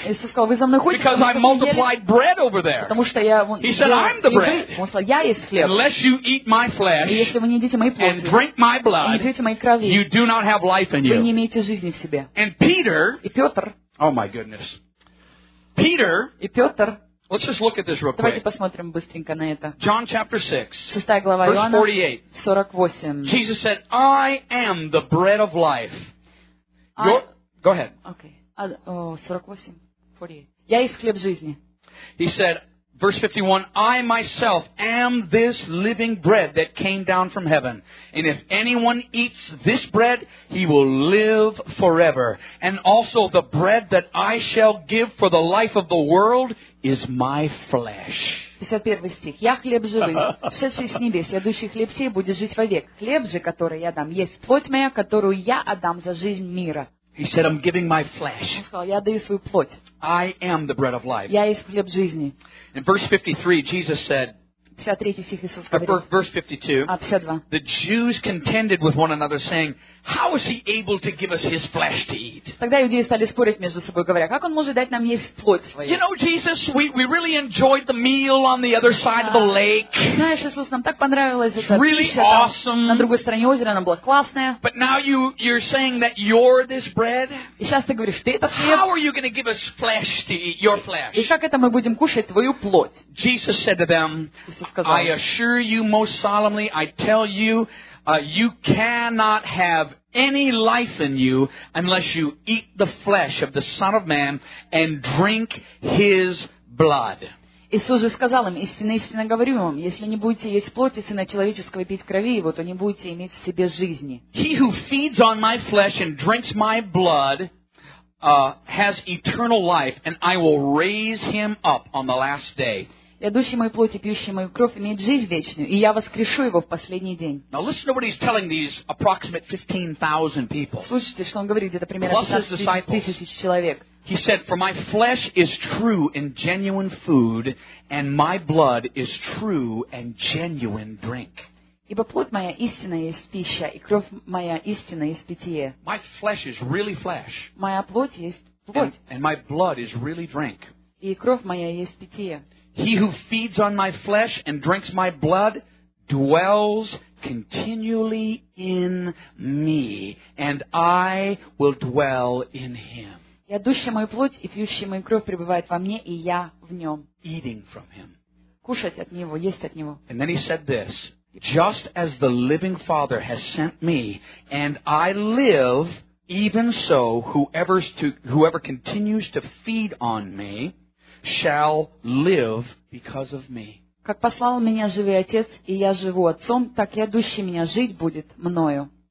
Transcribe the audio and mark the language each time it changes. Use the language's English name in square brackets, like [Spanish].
[Russian] Иисус сказал, вы за мной ходите, [English] because I multiplied bread over there. [Russian] Потому что я вон. [English] He said, I'm the bread. [Russian] Он сказал, я есть хлеб. [English] Unless you eat my flesh, [Russian] и если вы не едите мои плоти, [English] and drink my blood, [Russian] и не пьете моей крови, [English] you do not have life in you. [Russian] Вы не имеете жизни в себе. [English] And Peter, [Russian] и Петр. [English] Oh my goodness. Peter, [Russian] и Петр. [English] Let's just look at this real quick. [Russian] Давайте посмотрим быстренько на это. [English] John chapter 6. [Russian] 6 глава Иоанна. [English] Verse 48. [Russian] 48. [English] Jesus said, I am the bread of life. Go ahead. [Russian] Okay. 48. Я есть хлеб жизни. [English] He said, Verse 51, I myself am this living bread that came down from heaven. And if anyone eats this bread, he will live forever. And also the bread that I shall give for the life of the world is my flesh. [Russian] 51 стих. Я хлеб живый, сшедший с небес. Я дающий хлеб сей будет жить вовек. Хлеб же, который я дам, есть плоть моя, которую я отдам за жизнь мира. [English] He said, I'm giving my flesh. [Russian] Я даю свою плоть. [English] I am the bread of life. [Russian] Я есть хлеб жизни. [English] In verse 53, Jesus said, [Russian] 53 стих Иисус говорит, [English] verse 52, [Russian] 52, [English] the Jews contended with one another, saying, how is he able to give us his flesh to eat? [Russian] Тогда иудеи стали спорить между собой, говоря, как он может дать нам есть плоть свою? [English] You know, Jesus, we really enjoyed the meal on the other side of the lake. [Russian] Знаешь, Иисус, нам так понравилось это. [English] Really awesome. [Russian] На другой стороне озера она была классная. [English] But now you're saying that you're this bread. [Russian] И сейчас ты говоришь, ты это хлеб. [English] How are you going to give us flesh to eat, your flesh? [Russian] И как это мы будем кушать твою плоть? [English] Jesus said to them, I assure you most solemnly, I tell you, you cannot have any life in you unless you eat the flesh of the Son of Man and drink His blood. [Russian] Иисус же сказал им, истинно, истинно говорю вам, если не будете есть плоти Сына Человеческого и пить крови Его, то не будете иметь в себе жизни. [English] He who feeds on my flesh and drinks my blood has eternal life, and I will raise him up on the last day. [Russian] Идущий мою плоть и пьющий мою кровь имеет жизнь вечную, и я воскрешу его в последний день. [English] Now listen to what he's telling these approximate 15,000 people. [Russian] Слушайте, что он говорит, где-то примерно 15,000 человек. [English] He said, for my flesh is true and genuine food, and my blood is true and genuine drink. [Russian] Ибо плоть моя истинная есть пища, и кровь моя истинная есть питье. [English] My flesh is really flesh. [Russian] Моя плоть есть плоть. [English] And my blood is really drink. [Russian] И кровь моя есть питье. [English] He who feeds on my flesh and drinks my blood dwells continually in me, and I will dwell in him. [Russian] Я дущий мою плоть и пьющий мою кровь пребывает во мне, и я в нем. [English] Eating from him. [Russian] Кушать от него, есть от него. [English] And then he said this, just as the living Father has sent me, and I live, even so whoever continues to feed on me shall live because of me. [Russian] Как послал меня живый Отец, и я живу Отцом, так и идущий меня жить будет мною.